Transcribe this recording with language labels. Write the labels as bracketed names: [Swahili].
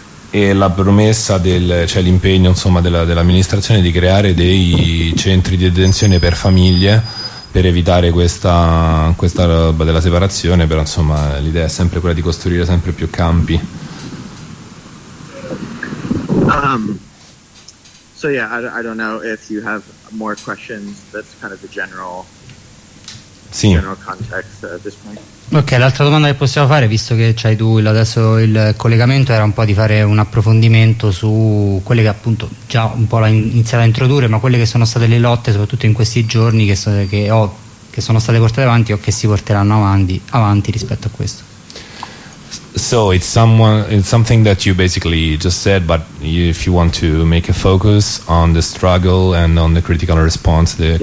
[Italian] E la promessa cioè l'impegno, insomma, dell'amministrazione di creare dei centri di detenzione per famiglie, per evitare questa roba della separazione, però insomma l'idea è sempre quella di costruire sempre più campi. [English] So yeah, I don't know if you have more questions. That's kind of the general, [Italian] sì, [English] general context at this point. [Italian] Ok, l'altra domanda che possiamo fare, visto che c'hai tu adesso il collegamento, era un po' di fare un approfondimento su quelle che appunto già un po' l'ha iniziato a introdurre, ma quelle che sono state le lotte soprattutto in questi giorni che ho che sono state portate avanti o che si porteranno avanti rispetto a questo. [English] So it's something that you basically just said, but if you want to make a focus on the struggle and on the critical response the yep.